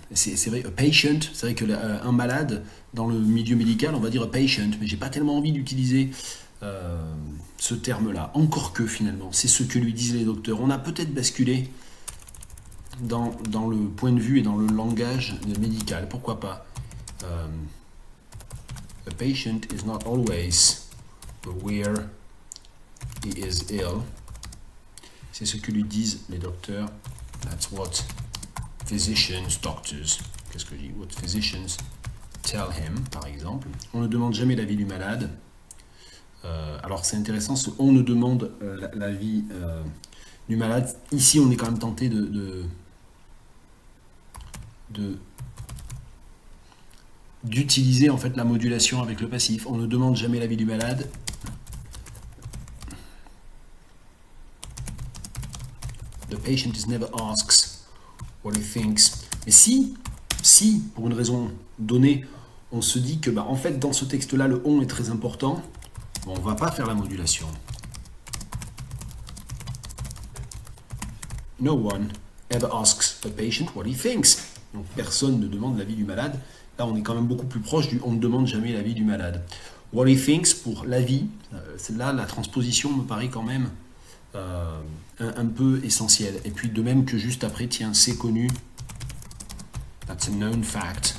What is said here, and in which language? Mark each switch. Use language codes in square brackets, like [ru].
[fr] C'est vrai, a patient, c'est vrai que un malade, dans le milieu médical, on va dire a patient, mais j'ai pas tellement envie d'utiliser. ce terme-là. Encore que finalement, c'est ce que lui disent les docteurs. On a peut-être basculé dans le point de vue et dans le langage médical. Pourquoi pas? [en] A patient is not always aware he is ill. [fr] C'est ce que lui disent les docteurs. That's what physicians, doctors, qu'est-ce que je dis? What physicians tell him, par exemple. On ne demande jamais l'avis du malade. Alors c'est intéressant, ce on ne demande l'avis du malade. Ici, on est quand même tenté d'utiliser en fait la modulation avec le passif. On ne demande jamais l'avis du malade. [en] The patient is never asks what he thinks. [fr] Mais si, pour une raison donnée, on se dit que bah, en fait dans ce texte-là, le on est très important, bon, on ne va pas faire la modulation. [en] No one ever asks a patient what he thinks. [fr] Donc personne ne demande l'avis du malade. Là, on est quand même beaucoup plus proche du on ne demande jamais l'avis du malade. What he thinks pour l'avis, celle-là, la transposition me paraît quand même un peu essentielle. Et puis de même que juste après, tiens, c'est connu. That's a known fact.